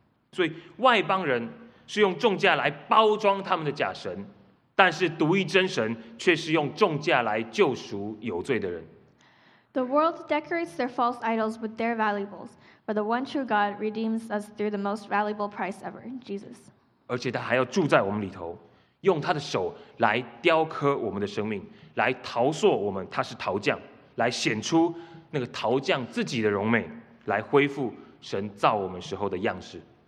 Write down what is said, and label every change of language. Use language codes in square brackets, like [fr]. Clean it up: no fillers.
[zh] 所以外邦人是用重价来包装他们的假神，但是独一真神却是用重价来救赎有罪的人。 [en] The world decorates their false idols with their valuables, but the one true God redeems us through the most valuable price ever, Jesus. [zh] 而且他还要住在我们里头，用他的手来雕刻我们的生命，来陶塑我们，他是陶匠，来显出那个陶匠自己的荣美，来恢复神造我们时候的样式。